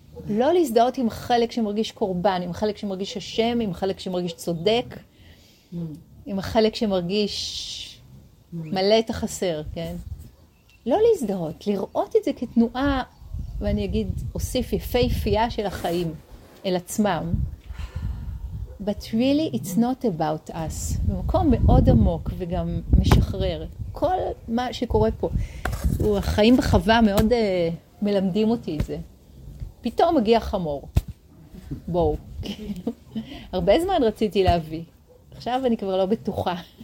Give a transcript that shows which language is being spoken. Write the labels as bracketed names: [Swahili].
[Hebrew] לא להזדהות עם החלק שמרגיש קורבן, עם החלק שמרגיש השם, עם החלק שמרגיש צודק. עם החלק שמרגיש מלא את החסר, כן? לא להזדהות, לראות את זה כתנועה, ואני אגיד, אוסיף יפה יפייה של החיים אל עצמם. [English] But really, it's not about us. [Hebrew] במקום מאוד עמוק וגם משחרר. כל מה שקורה פה, הוא החיים בחווה מאוד מלמדים אותי את זה. פתאום מגיע חמור. בואו. הרבה זמן רציתי להביא. עכשיו אני כבר לא בטוחה.